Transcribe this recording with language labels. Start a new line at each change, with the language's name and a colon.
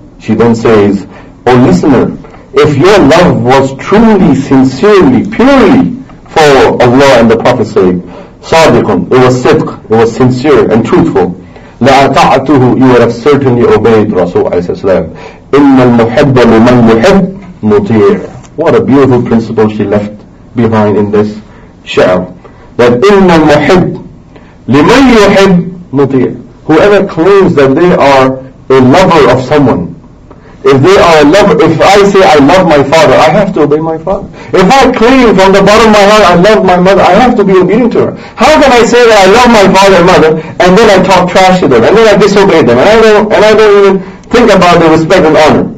English: She then says, oh listener, if your love was truly, sincerely, purely for Allah and the Prophet saying, صَادِقًا, it was sidq, it was sincere and truthful, لَأَطَعْتُهُ, you would have certainly obeyed Rasul عَلَيْهِ السَّلَامِ.
Arabic: إِنَّ الْمُحِبَّ لِمَنْ مُحِبْ مُطِيعٍ.
English: What a beautiful principle she left behind in this sha'r.
Arabic: That إِنَّ الْمُحِبْ لِمَنْ مُحِبْ مُطِيعٍ.
English: Whoever claims that they are a lover of someone, if they are a lover, if I say I love my father, I have to obey my father. If I claim from the bottom of my heart I love my mother, I have to be obedient to her. How can I say that I love my father and mother, and then I talk trash to them, and then I disobey them, and I don't even think about the respect and honor?